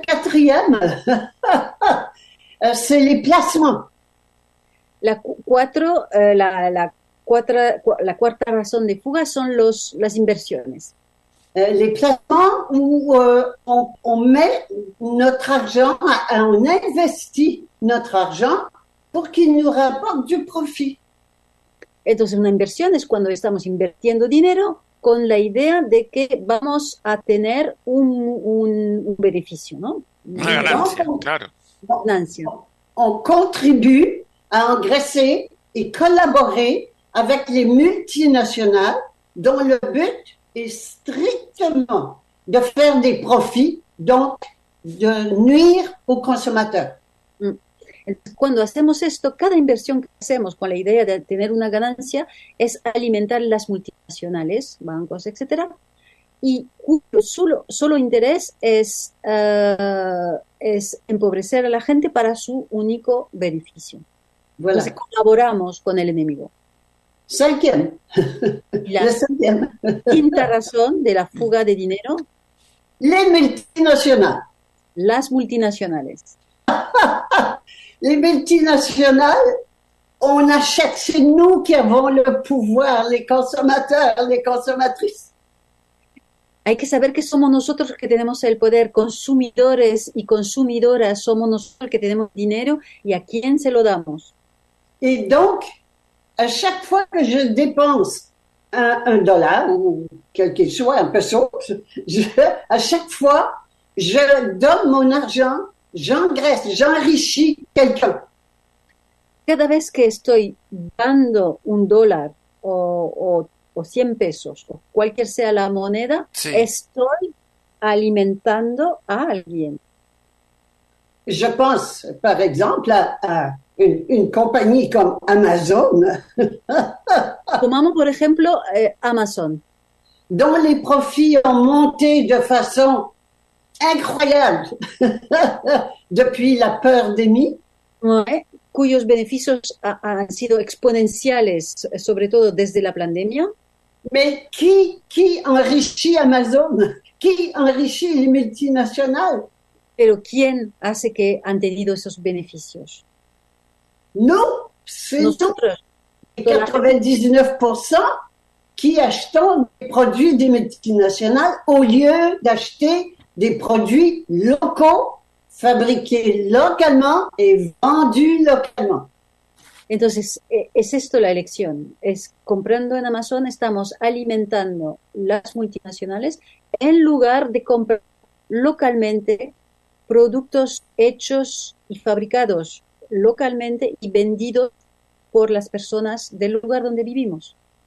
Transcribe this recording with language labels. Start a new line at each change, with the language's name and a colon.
French: La quatrième, c'est les placements.
Spanish: La cuarta razón de fuga son las inversiones.
French: Les placements où on met notre argent, on investit notre argent pour qu'il nous rapporte du profit.
Spanish: Entonces, una inversión es cuando estamos invirtiendo dinero con la idea de que vamos a tener un beneficio, ¿no? Una ganancia, claro. Ganancia.
French: On contribue à engraisser et collaborer avec les multinationales dont le but est strictement de faire des profits, donc de nuire aux consommateurs.
Spanish: Cuando hacemos esto, cada inversión que hacemos con la idea de tener una ganancia es alimentar las multinacionales, bancos, etcétera, y cuyo solo interés es empobrecer a la gente para su único beneficio. Voilà. Entonces, colaboramos con el enemigo. La quinta razón de la fuga de dinero.
French: Les multinationales.
Spanish: Las multinacionales.
French: Les multinationales, on achète, c'est nous qui avons le pouvoir, les consommateurs, les consommatrices.
Spanish: Hay que saber que somos nosotros que tenemos el poder, consumidores y consumidoras, somos nosotros que tenemos dinero y a quién se lo damos.
French: Et donc, à chaque fois que je dépense un dollar, ou quel qu'il soit, un peso, à chaque fois, je donne mon argent. J'engraisse, j'enrichis quelqu'un.
Spanish: Cada vez que estoy dando un dólar o 100 pesos, o cualquier sea la moneda, sí, estoy alimentando a alguien.
French: Je pense, par exemple, à une compagnie comme Amazon.
Spanish: Tomamos, por ejemplo, Amazon.
French: Dont les profits ont monté de façon incroyable depuis la peur d'Emmy. Ouais.
Spanish: Cuyos beneficios han sido exponenciales, sobre todo desde la pandemia.
French: Mais qui enrichit Amazon? Qui enrichit les multinationales?
Spanish: Pero ¿quién hace que han tenido esos beneficios? Nosotros.
French: 99% qui achetons des produits des multinationales au lieu d'acheter des produits locaux fabriqués localement et vendus localement.
Spanish: Entonces, ¿es esto la elección? ¿Es comprando en Amazon estamos alimentando las multinacionales en lugar de comprar localmente productos hechos y fabricados localmente y vendidos por las personas del lugar donde vivimos?